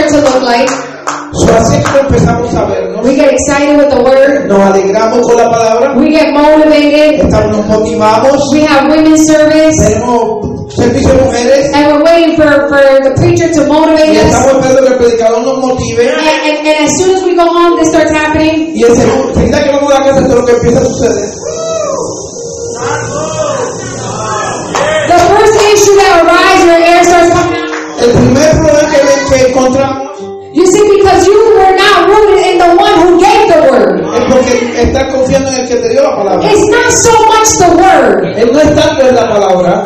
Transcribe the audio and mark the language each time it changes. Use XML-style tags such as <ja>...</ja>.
<en>So this is what we start to look like. We get excited with the word.</en> <es>Nos alegramos con la palabra.</es> <en>We get motivated.</en> <es>Estamos, nos motivamos.</es> <en>We have women's service.</en> <es>Tenemos servicio de mujeres.</es> <en>And we're waiting for the preacher to motivate</en> <es>y estamos esperando que el predicador nos motive.</es> <en>And as soon as we go home, this starts happening.</en> <es>Y en seguida que vamos a la casa, esto es lo que empieza a suceder.</es> <en>The first issue that arises, your air starts coming.</en> <es>El primer problema que encontramos,</es> <en>you see, because you were not rooted in the one who gave the word.</en> <es>Es porque estás confiando en el que te dio la palabra.</es> <en>It's not so much the word.</en> <es>Él no es tanto en la palabra.</es>